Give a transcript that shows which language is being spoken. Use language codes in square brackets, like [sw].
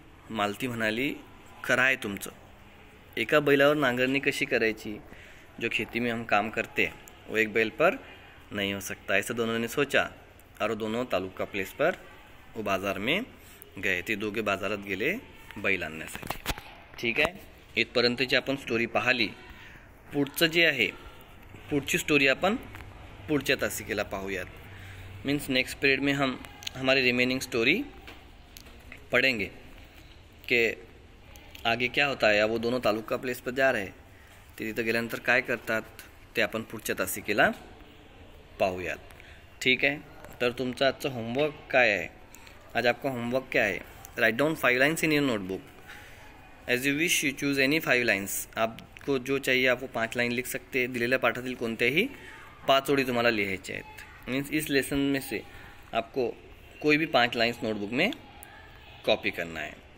[mr] मालती म्हणाली, करा है तुमचं, एका बैलावर नांगरणी कशी करायची, [hi] जो खेती में हम काम करते वो एक बैल पर नहीं हो सकता, ऐसा दोनों ने सोचा और दोनों तालुका प्लेस पर वो बाजार में गए, [mr] ते दोघे बाजारात गेले बैल आणण्यासाठी। ठीक आहे, इथपर्यंतची आपण स्टोरी पाहिली, पुढचं जे आहे, पुढची स्टोरी आपण पुढच्या तासिकेला पाहूयात, [hi] मीन्स नेक्स्ट पीरियड में हम हमारी रिमेनिंग स्टोरी पढ़ेंगे के आगे क्या होता है, या वो दोनों तालुका प्लेस पर जा रहे, [mr] ते तिथं गेल्यानंतर काय करतात, ते आपण पुढच्या तासिकेला पाहूयात। ठीक आहे, तर तुमचा आजचा होमवर्क काय आहे, [hi] आज आपका होमवर्क क्या है, [en] write down 5 lines in your notebook, as you wish you choose any 5 lines, [hi] आपको जो चाहिए आप वो 5 line लिख सकते हैं, [mr] दिलेल्या पाठातील कोणत्याही 5 ओळी तुम्हाला लिहायचे आहेत, [hi] मीन्स इस लेसन में से आपको कोई भी 5 lines नोटबुक में कॉपी करना है।